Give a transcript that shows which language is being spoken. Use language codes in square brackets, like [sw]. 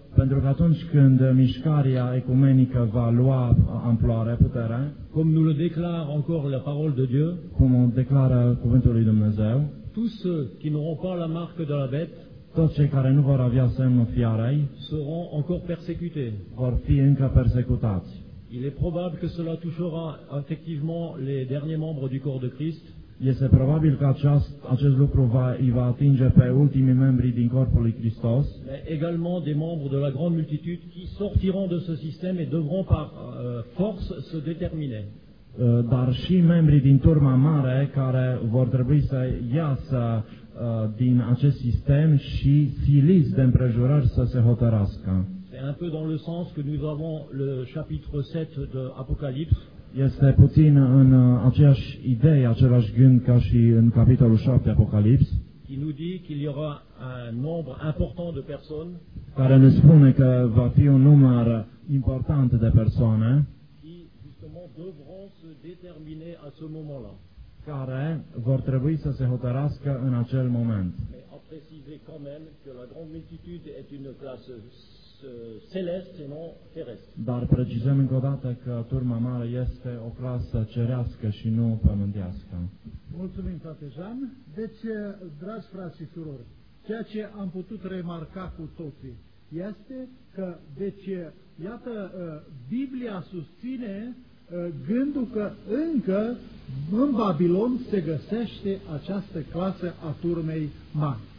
[ro] pentru că atunci când mișcarea ecumenică va lua amploare, putere, [fr] comme nous le déclare encore la parole de Dieu, [ro] cum o declară cuvântul lui Dumnezeu, [fr] tous ceux qui n'auront pas la marque de la bête, [ro] toți cei care nu vor avea semnul fiarei, [fr] seront encore persécutés, [ro] vor fi încă persecutați. [fr] Il est probable que cela touchera effectivement les derniers membres du corps de Christ. [ro] Este probabil că acest lucru va atinge pe ultimii membri din corpul lui Hristos. [fr] Mais également des membres de la grande multitude qui sortiront de ce système et devront par force se déterminer. [ro] Dar și membrii din turma mare care vor trebui să iasă din acest sistem și siliți de împrejurări să se hotărască. [fr] Un peu dans le sens que nous avons le chapitre 7 de Apocalypse. [ro] Este puțin în aceeași idee, același gând ca și în capitolul 7 Apocalypse. [fr] Qui nous dit qu'il y aura un nombre important de personnes. [ro] Care ne spune că va fi un număr important de persoane. [fr] Qui justement devront se déterminer à ce moment-là. [ro] care vor trebui să se hotărască în acel moment. [fr] A précisé quand même que la grande multitude est une classe céleste et non terrestre. [ro] Dar precizăm încă o dată că turma mare este o clasă cerească și nu pământească. Mulțumim, frate Jean. Deci, dragi frați și surori, ceea ce am putut remarca cu toții este că, deci, iată, Biblia susține gândul că încă în Babilon se găsește această clasă a turmei mari.